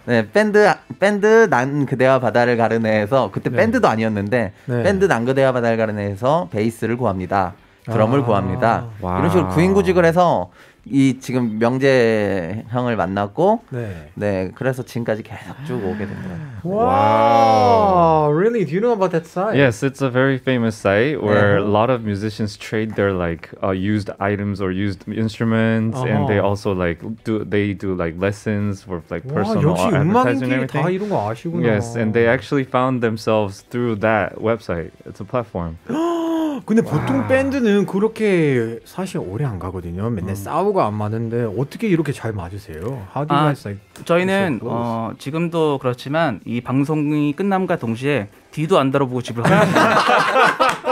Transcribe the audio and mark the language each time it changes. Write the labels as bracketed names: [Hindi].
[Korean] 네, 밴드 난 그대와 바다를 가르네에서 그때 네. 밴드도 아니었는데 네. 밴드 난 그대와 바다를 가르네에서 베이스를 구합니다. 드럼을 구합니다. 와. 이런 식으로 구인 구직을 해서 이 지금 명재 형을 만났고 네. 네, 그래서 지금까지 계속 쭉 오게 된 거예요. [English] Wow. Really? Do you know about that site? Yes, it's a very famous site where a lot of musicians trade their like used items or used instruments and they also like do like lessons for like personal advertising and everything. [Korean] 다 이런 거 아시구나. [English] Yes, and they actually found themselves through that website. It's a platform. [Korean] 근데 보통 밴드는 그렇게 사실 오래 안 가거든요. 맨날 싸우고 안 맞는데 어떻게 이렇게 잘 맞으세요? [English] How do you guys like? [Korean] 저희는 지금도 그렇지만 이 방송이 끝남과 동시에 뒤도 안 돌아보고 집을 갑니다.